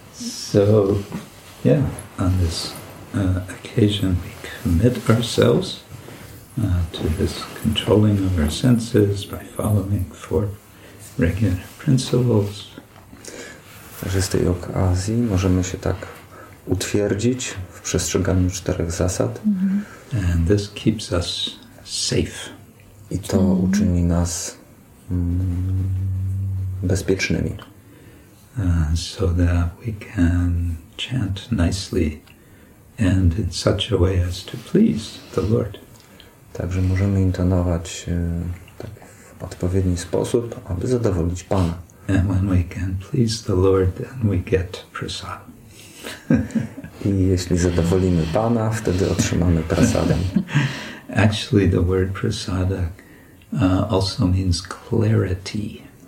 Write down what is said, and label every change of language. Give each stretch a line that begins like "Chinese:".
English: So, yeah, on this occasion we commit ourselves to this controlling of our senses by following four regular principles.
Polish: Także z tej okazji możemy się tak utwierdzić w przestrzeganiu czterech zasad.
English: Mm-hmm. And this keeps us safe.
Polish: I to uczyni nas bezpiecznymi.
English: So that we can chant nicely and in such a way as to please the Lord.
Polish: Także możemy intonować tak w odpowiedni sposób, aby zadowolić Pana.
English: And when we can please the Lord, then we get prasadam.
Polish: I jeśli zadowolimy Pana, wtedy otrzymamy prasadę.
English: Actually, the word prasada also means clarity.